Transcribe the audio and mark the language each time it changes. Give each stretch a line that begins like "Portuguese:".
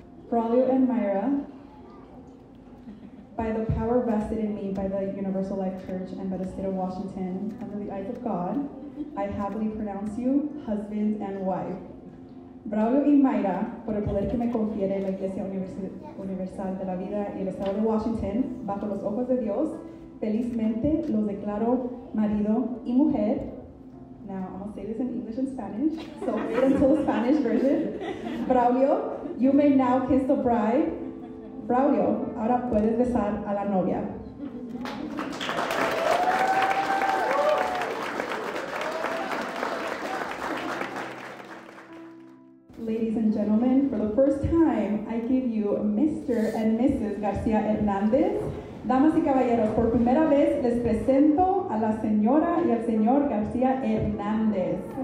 English: Braulio and Maira, by the power vested in me by the Universal Life Church and by the State of Washington, under the eyes of God, I happily pronounce you husband and wife.
Spanish: Braulio y Maira, por el poder que me confiere la Iglesia Universal de la Vida y el Estado de Washington, bajo los ojos de Dios, felizmente los declaro marido y mujer.
English: Now, I'm going to say this in English and Spanish, so wait until the Spanish version. Braulio, you may now kiss the bride. Braulio,
Spanish: ahora puedes besar a la novia.
English: Ladies and gentlemen, for the first time, I give you Mr. and Mrs. Garcia-Hernandez.
Spanish: Damas y caballeros, por primera vez les presento a la señora y al señor García Hernández.